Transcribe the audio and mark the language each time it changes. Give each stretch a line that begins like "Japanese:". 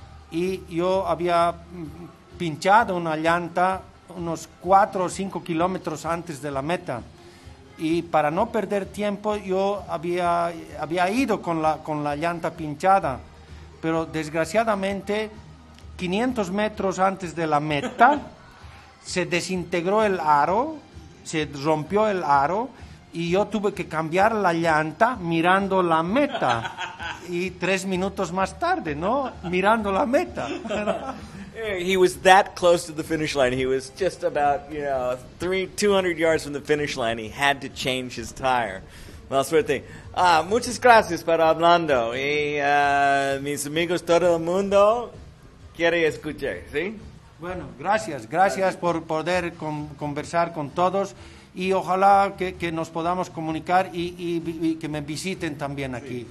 Spanish: Y yo había pinchado una llanta unos 4 o 5 kilómetros antes de la meta, y para no perder tiempo yo había ido con la llanta pinchada, pero desgraciadamente 500 metros antes de la meta se desintegró el aro, se rompió el aro, y yo tuve que cambiar la llanta mirando la meta, y 3 minutos más tarde, ¿no?, mirando la meta.
English: He was that close to the finish line. He was just about, you know, 200 yards from the finish line. He had to change his tire. Well,
Spanish: suerte. Muchas gracias para hablando. Y mis amigos, todo el mundo quiere escuchar, ¿sí? Bueno, gracias. Gracias por poder conversar con todos. Y ojalá que nos podamos comunicar y que me visiten también aquí.